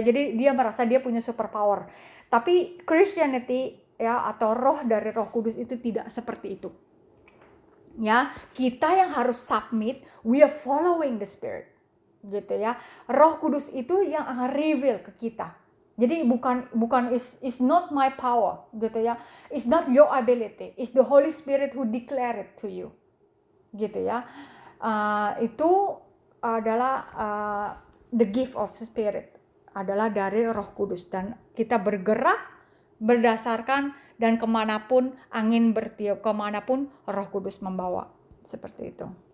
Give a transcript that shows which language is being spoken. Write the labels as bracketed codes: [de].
[id] Jadi dia merasa dia punya superpower. Tapi Christianity ya atau roh dari Roh Kudus itu tidak seperti itu. Ya, kita yang harus submit, [en] we are following the Spirit. [id] Gitu ya. Roh Kudus itu yang akan reveal ke kita. Jadi bukan [en] is not my power, [id] gitu ya. [en] It's not your ability. It's the Holy Spirit who declare it to you. [id] Gitu ya. Itu adalah [en] the gift of Spirit. [id] Adalah dari Roh Kudus dan kita bergerak berdasarkan dan kemanapun angin bertiup, kemanapun Roh Kudus membawa, seperti itu.